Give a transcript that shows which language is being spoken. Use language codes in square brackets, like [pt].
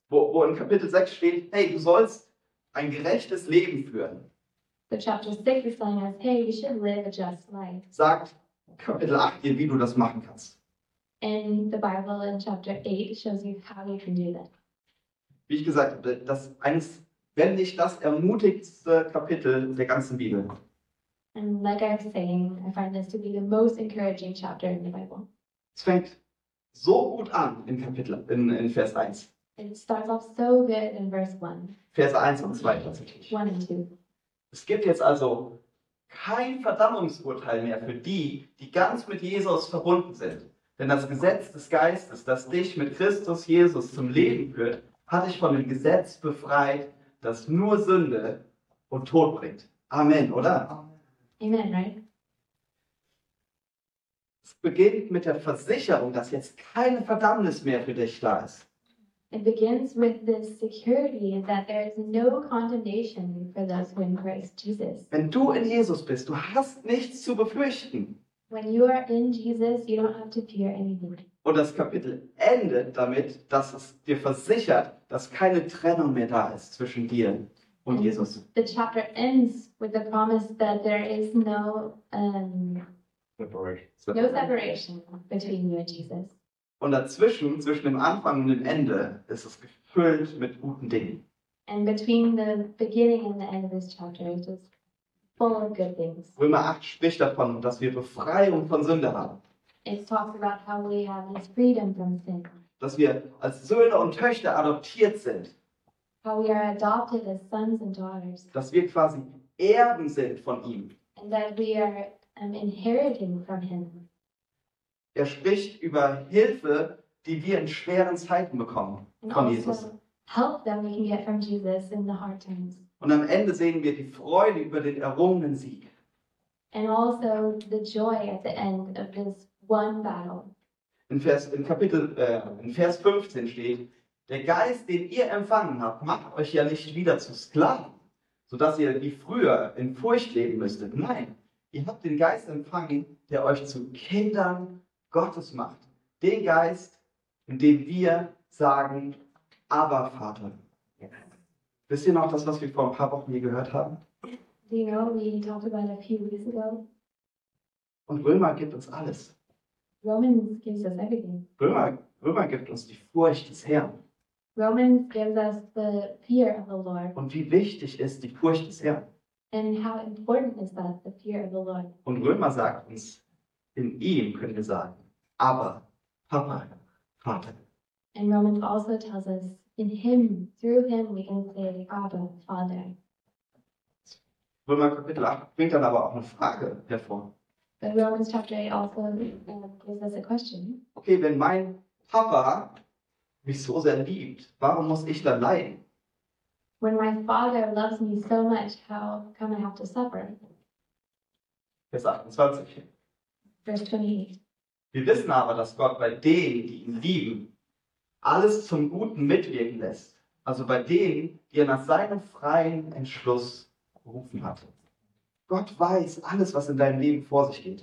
[de] Wo in Kapitel 6 steht, hey, du sollst ein gerechtes Leben führen. [en] So chapter 6 is telling us, hey, you should live a just life. [de] Sagt Kapitel 8 dir, wie du das machen kannst. [en] And the Bible in chapter 8 shows you how you can do that. [de] Wie ich gesagt habe, das ist eines, wenn nicht das ermutigendste Kapitel der ganzen Bibel. [en] And like I was saying, I find this to be the most encouraging chapter in the Bible. [de] Es fängt so gut an in Kapitel, in Vers 1. [en] It starts off so good in verse 1. [de] Vers 1 und 2 tatsächlich. [en] 1 and 2. [de] Es gibt jetzt also kein Verdammungsurteil mehr für die, die ganz mit Jesus verbunden sind. Denn das Gesetz des Geistes, das dich mit Christus Jesus zum Leben führt, hat dich von dem Gesetz befreit, das nur Sünde und Tod bringt. Amen, oder? [en] Amen, right? [de] Es beginnt mit der Versicherung, dass jetzt keine Verdammnis mehr für dich da ist. [en] It begins with the security that there is no condemnation for those who are in Christ Jesus. [de] Wenn du in Jesus bist, du hast nichts zu befürchten. [en] When you are in Jesus, you don't have to fear anything. [de] Und das Kapitel endet damit, dass es dir versichert, dass keine Trennung mehr da ist zwischen dir und Jesus. [en] The chapter ends with the promise that there is no separation between you and Jesus. [de] Und dazwischen, zwischen dem Anfang und dem Ende, ist es gefüllt mit guten Dingen. [en] And between the beginning and the end of this chapter, it is full of good things. [de] Römer 8 spricht davon, dass wir Befreiung von Sünde haben. [en] It talks about how we have this freedom from sin. [de] Dass wir als Söhne und Töchter adoptiert sind. [en] How we are adopted as sons and daughters. [de] Dass wir quasi Erben sind von ihm. [en] And that we are inheriting from him. [de] Er spricht über Hilfe, die wir in schweren Zeiten bekommen von Jesus. [en] Help that we can get from Jesus in the hard times. [de] Und am Ende sehen wir die Freude über den errungenen Sieg. [en] And also the joy at the end of this one battle. [de] In Vers 15 steht, der Geist, den ihr empfangen habt, macht euch ja nicht wieder zu Sklaven, sodass ihr wie früher in Furcht leben müsstet. Nein, ihr habt den Geist empfangen, der euch zu Kindern Gottes macht. Den Geist, in dem wir sagen, aber Vater. Wisst ihr noch das, was wir vor ein paar Wochen hier gehört haben? [en] Do you know, we talked about a few weeks ago. [de] Und Römer gibt uns alles. [en] Romans gives us everything. [de] Römer gibt uns die Furcht des Herrn. [en] Romans gives us the fear of the Lord. [de] Und wie wichtig ist die Furcht des Herrn? [en] And how important is that, the fear of the Lord? [de] Und Römer sagt uns, in ihm können wir sagen, aber, Papa, Vater. [en] And Romans also tells us, in him, through him, we can say, Abba, Father. [de] Römer Kapitel 8 bringt dann aber auch eine Frage hervor. [en] But Romans chapter 8 also gives us a question. [de] Okay, wenn mein Papa mich so sehr liebt, warum muss ich dann leiden? [en] When my father loves me so much, how come I have to suffer? [de] Vers 28. [en] Verse 28. [de] Wir wissen aber, dass Gott bei denen, die ihn lieben, alles zum Guten mitwirken lässt. Also bei denen, die er nach seinem freien Entschluss berufen hatte. Gott weiß alles, was in deinem Leben vor sich geht.